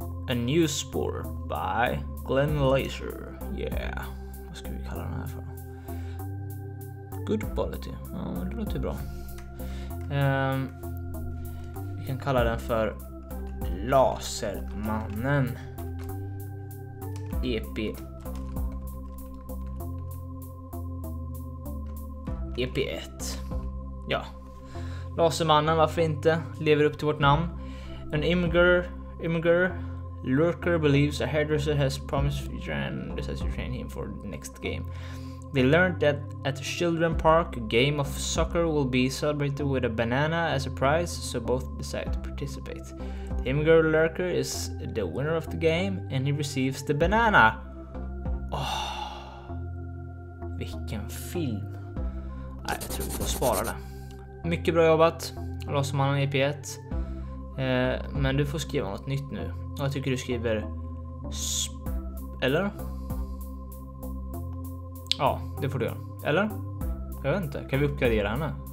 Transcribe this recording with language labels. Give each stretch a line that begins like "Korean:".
English: A new sport by Glenn Laser. Yeah.
Swedish: Vad ska vi kalla den här för?
English: Good quality.
Swedish: Ja, det låter bra. Vi kan kalla den för Lasermannen. EP. EP 1. Ja. Lasermannen, varför inte? Lever upp till vårt namn.
English: An immigrant lurker believes a hairdresser has promised Jiren decides to train him for the next game. They learned that at a children's park, a game of soccer will be celebrated with a banana as a prize, so both decide to participate. The immigrant lurker is the winner of the game and he receives the banana.
Swedish: Oh, vilken film. Jag tror vi får spara det. Mycket bra jobbat, Lasermannen EP1. Men du får skriva något nytt nu. Jag tycker du skriver eller? Ja, det får du göra. Eller? Jag vet inte, kan vi uppgradera henne?